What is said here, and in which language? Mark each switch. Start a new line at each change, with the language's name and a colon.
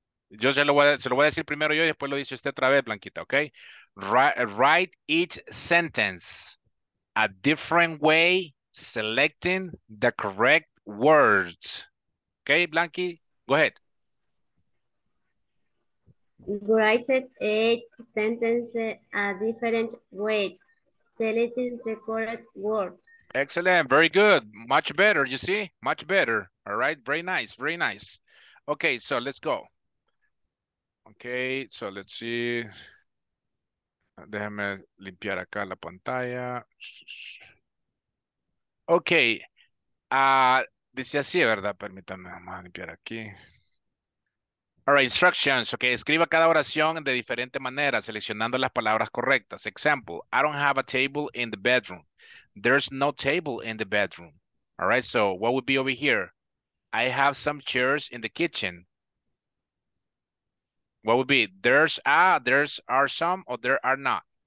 Spanish: Yo se lo voy a decir primero yo y después lo dice usted otra vez, Blanquita, ¿ok?
English: Write each sentence a different way, selecting the correct words. ¿Ok, Blanqui? Go ahead. Write each sentence a different way, selecting the correct word. Excellent, very good. Much better, you see? Much better. All right, very nice, very nice. Okay, so let's go. Okay, so let's see.
Spanish: Déjame limpiar acá la pantalla. Okay. Dice así, ¿verdad? Permítanme, vamos a limpiar aquí. All right, instructions. Okay, escriba cada oración de diferente manera, seleccionando las palabras correctas.
English: Example, I don't have a table in the bedroom. There's no table in the bedroom. All right, so what would be over here? I have some chairs in the kitchen. What would be? There are some or there are not?